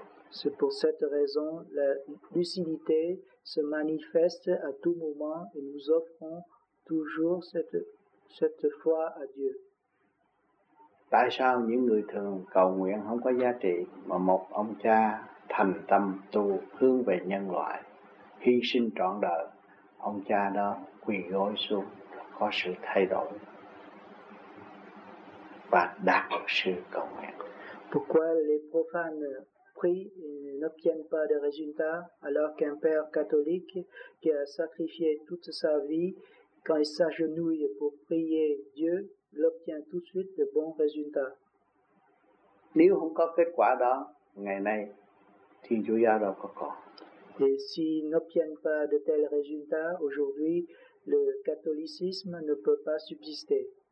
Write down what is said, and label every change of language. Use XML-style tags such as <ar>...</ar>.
<fr>C'est pour cette raison la lucidité se manifeste à tout moment et nous offrons toujours cette foi à Dieu.</fr> <vi>Tại sao những người thường cầu nguyện không có giá trị mà một ông cha thành tâm tu hướng về nhân loại, hy sinh trọn đời, ông cha đó quỳ gối xuống có sự thay đổi và đạt được sự cầu nguyện.</vi> <fr>Pourquoi les profanes prient et n'obtiennent pas de résultats alors qu'un père catholique qui a sacrifié toute sa vie, quand il s'agenouille pour prier Dieu, l'obtient tout de suite de bons résultats?</fr> <vi>Nếu không có kết quả đó, ngày nay, Thiên Chúa Giáo đâu có còn.</vi> <fr>Et s'ils n'obtiennent pas de tels résultats, aujourd'hui, le catholicisme ne peut pas subsister.</fr>